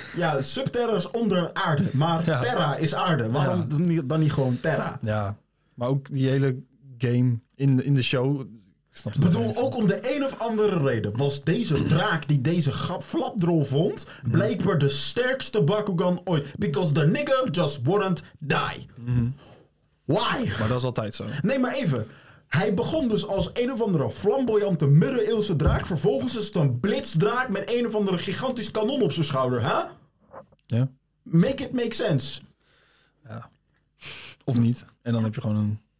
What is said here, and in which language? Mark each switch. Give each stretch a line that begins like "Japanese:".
Dutch: Ja, Subterra is onder aarde. Maar ja. Terra is aarde. Waarom dan niet gewoon Terra? Ja, maar ook die hele game in de show. Ik bedoel, ook om de een of andere reden was deze draak die deze flapdrol vond, blijkbaar de sterkste Bakugan ooit.
English: Because the nigga just wouldn't die. Mm-hmm. Why?
Dutch: Maar dat is altijd zo. Nee, maar even. Hij begon dus als een of andere flamboyante middeleeuwse draak. Vervolgens is het een blitzdraak met een of andere gigantisch kanon op zijn schouder, hè? Huh? Ja.
English: Make it make sense.
Dutch: Ja. Of niet. En dan heb je gewoon een...